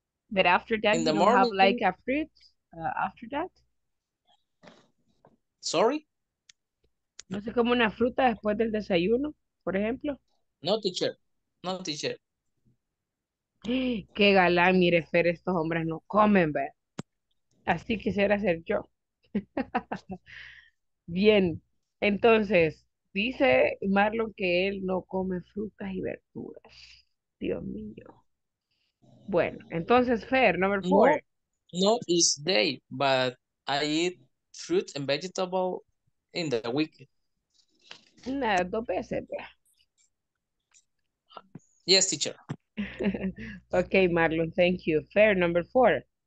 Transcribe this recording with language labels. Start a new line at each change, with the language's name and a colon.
English: But after that, in the you morning, have like a fruit after that? Sorry?
Spanish: ¿No se come una fruta después del desayuno, por ejemplo?
English: No, teacher. No, teacher.
Spanish: Qué galán, mire, Fer, estos hombres no comen, ¿ver? Así quisiera ser yo. Bien, entonces, dice Marlon que él no come frutas y verduras. Dios mío. Bueno, entonces, Fer,
English: number four. No, it's day, but I eat fruit and vegetable in the week.
Spanish: Nada, dos veces, ¿ver?
English: Yes, teacher. Okay, Marlon, thank you. Fair, number four.